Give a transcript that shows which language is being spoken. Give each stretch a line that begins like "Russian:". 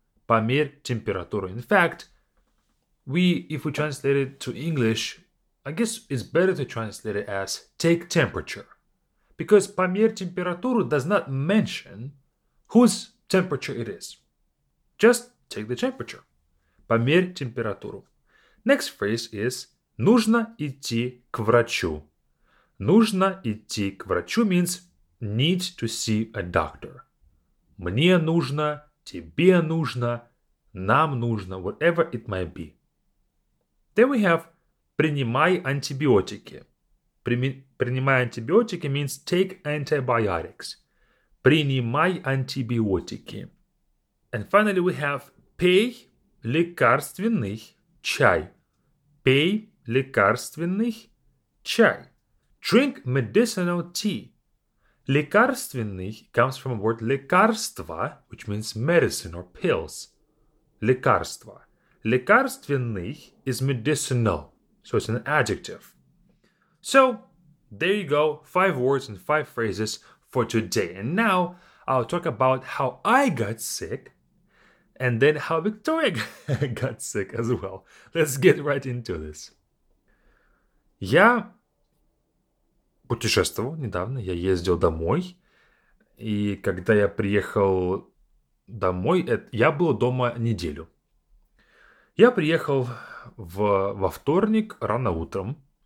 Russian: Померь температуру.
English: In fact, if we translate it to English, I guess it's better to translate it as take temperature. Because
Russian: померь температуру
English: does not mention whose temperature it is. Just take the temperature.
Russian: Померь температуру.
English: Next phrase is
Russian: нужно идти к врачу. Нужно идти к врачу
English: means need to see a doctor.
Russian: Мне нужно, тебе нужно, нам нужно,
English: whatever it might be. Then we have
Russian: принимай антибиотики. Принимай антибиотики
English: means take antibiotics.
Russian: Принимай антибиотики.
English: And finally we have
Russian: пей лекарственный чай. Пей лекарственный чай.
English: Drink medicinal tea. Лекарственный comes from a word лекарство, which means medicine or pills.
Russian: Лекарство.
English: Лекарственный is medicinal, so it's an adjective. So, there you go, five words and five phrases for today. And now, I'll talk about how I got sick, and then how Victoria got sick as well. Let's get right into this.
Russian: Я путешествовал недавно, я ездил домой. И когда я приехал домой, я был дома неделю. Я приехал во вторник рано утром.